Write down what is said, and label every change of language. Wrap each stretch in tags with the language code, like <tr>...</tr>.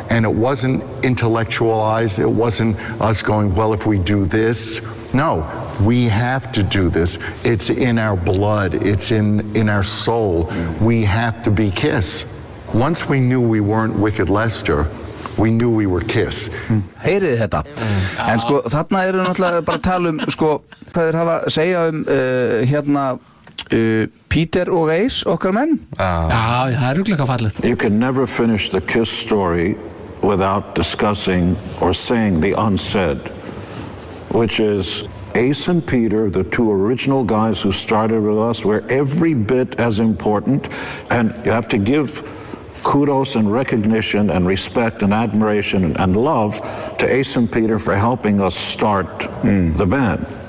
<en>And it wasn't intellectualized, it wasn't us going, well, if we do this. No, we have to do this. It's in our blood. It's in our soul. We have to be Kiss. Once we knew we weren't Wicked Lester, we knew we were Kiss.</en> <is>Heyrið þetta. En sko, þarna eru náttúrulega bara að tala sko, hvað þeir hafa að segja hérna, Peter og Ace, okkar menn? Já, það rugglega fallið.</is> <en>You can never finish the Kiss story without discussing or saying the unsaid. Which is Ace and Peter, the two original guys who started with us, were every bit as important. And you have to give kudos and recognition and respect and admiration and love to Ace and Peter for helping us start the band.</en>